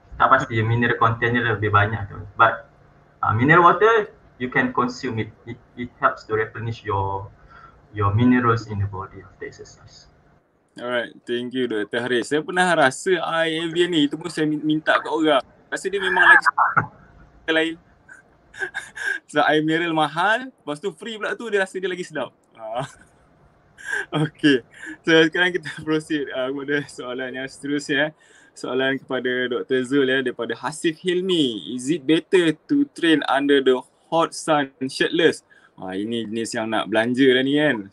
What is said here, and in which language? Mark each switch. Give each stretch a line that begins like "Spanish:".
Malay: Tak pasti mineral contentnya lebih banyak tu.
English: But mineral water, you can consume it. It helps to replenish your minerals in the body after exercise. Alright, thank you Dr. Haris.
Malay: Saya pernah rasa air Evian ni, itu pun saya minta ke orang. Rasa dia memang lagi sedap lain. So air mineral mahal, lepas tu free pula tu dia rasa dia lagi sedap. Okay, so sekarang kita proceed kepada soalan yang seterusnya. Soalan kepada Dr. Zul ya, daripada Hasif Hilmi.
English: Is it better to train under the hot sun shirtless?
Malay: Ini jenis yang nak belanja dah ni kan.